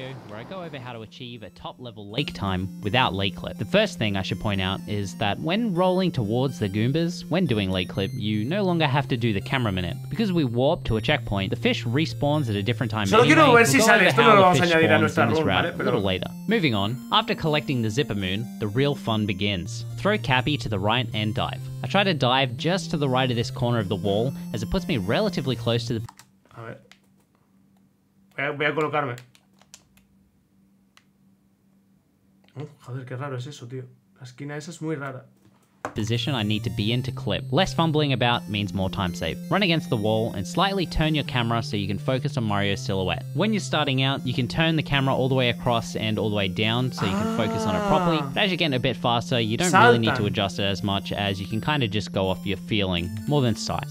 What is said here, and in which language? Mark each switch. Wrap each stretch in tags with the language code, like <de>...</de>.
<en>Where I go over how to achieve a top level lake time without lake clip. The first thing I should point out is that when rolling towards the Goombas, when doing lake clip, you no longer have to do the camera minute. Because we warp to a checkpoint, the fish respawns at a different time.</en> <es>Solo quiero ver si sale, esto no lo vamos a añadir a nuestra run, ¿vale?</es> <en>A little later. Moving on, after collecting the Zipper Moon, the real fun begins. Throw Cappy to the right and dive. I try to dive just to the right of this corner of the wall, as it puts me relatively close to the...</en> <es>A ver. Voy a colocarme. Joder, qué raro es eso, tío. La esquina esa es muy rara.</es> <en>position I need to be in to clip. Less fumbling about means more time saved. Run against the wall and slightly turn your camera so you can focus on Mario's silhouette. When you're starting out, you can turn the camera all the way across and all the way down so you can focus on it properly. But as you're getting a bit faster, you don't really need to adjust it as much, as you can kind of just go off your feeling more than sight.</en>